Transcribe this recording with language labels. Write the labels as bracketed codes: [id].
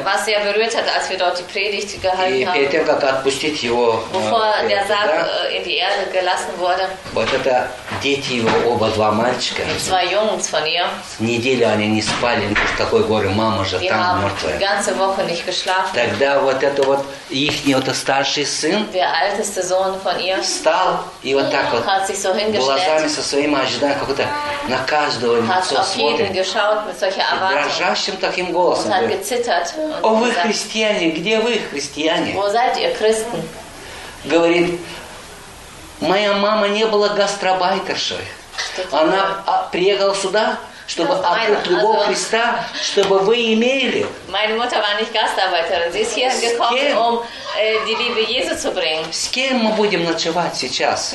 [de] Was sehr berührt hat, als wir dort die Predigt gehalten haben. [ru] И перед тем, как отпустить его, [de] bevor der Sarg in die Erde gelassen wurde. [ru] Вот это дети его, оба два мальчика. Два юнца [de] von ihr. [ru] Неделю они не спали, потому что такое горе, мама же [de] die [ru] там мертвая. [de] Ganze Woche nicht geschlafen. [ru] Тогда вот это вот, их вот старший сын, [de] der älteste Sohn von ihr, [ru] встал и вот так вот, [de] hat sich so hingestellt, [ru] глазами со своими ожидания, какой-то на каждого лицо смотрит. [de] Hat auf jeden geschaut mit solcher Erwartung. [ru] Дрожащим таким голосом. [de] Und hat gezittert. [ru] О, вы христиане, где вы христиане? [de] Wo seid ihr Christen? [ru] Говорит, моя мама не была гастарбайтершей. Она приехала сюда, чтобы открыть любого also, Христа, чтобы вы имели. [de] Meine Mutter war nicht Gastarbeiterin. Sie ist hier gekommen, um die Liebe Jesu zu bringen. [ru] С кем мы будем ночевать сейчас?